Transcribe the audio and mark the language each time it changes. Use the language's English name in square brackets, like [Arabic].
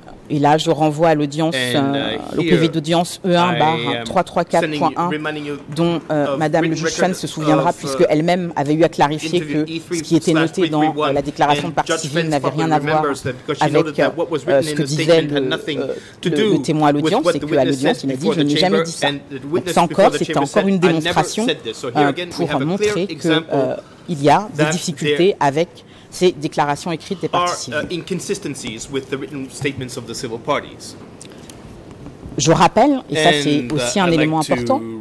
[French] Et là, je renvoie à l'audience, au PV d'audience E1-334.1, dont Madame le juge Chan se souviendra, puisqu'elle-même avait eu à clarifier que ce qui était noté dans la déclaration de partie civile n'avait rien à voir avec ce que disait le témoin à l'audience, c'est qu'à l'audience, il a dit « je n'ai jamais dit ça ». Ça encore, c'était encore une démonstration pour montrer qu'il y a des difficultés avec ces déclarations écrites des parties civiles. [English] Inconsistencies with the written statements of the civil parties. [French] Je rappelle, et ça c'est aussi un élément important,